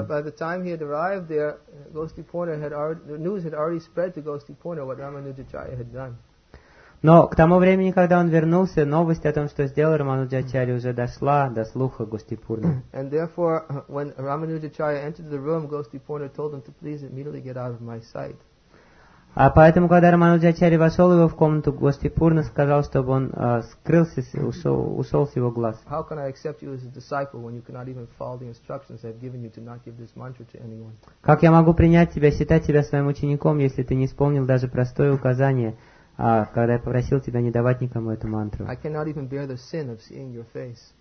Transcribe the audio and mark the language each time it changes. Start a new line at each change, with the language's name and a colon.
English: But by the time he had arrived there, Gostiporna had already, the news had already spread to Gostiporna what Ramanujacharya had done.
Russian: Но к тому времени, когда он вернулся, новость о том, что сделал Рамануджачарья, уже дошла до слуха Гостипурны.
English: And therefore, when Ramanujacharya entered the room, Gostiporna told him to please immediately get out of my sight.
Russian: А поэтому, когда Рамануджачарья вошел его в комнату, Гостипурна сказал, чтобы он скрылся, ушел с его глаз.
English: How can I accept you as a disciple when you cannot even follow the instructions I've given you to not give this mantra to anyone?
Russian: Как я могу принять тебя, считать тебя своим учеником, если ты не исполнил даже простое указание, когда я попросил тебя не давать никому эту мантру?
English: I cannot even bear the sin of seeing your face.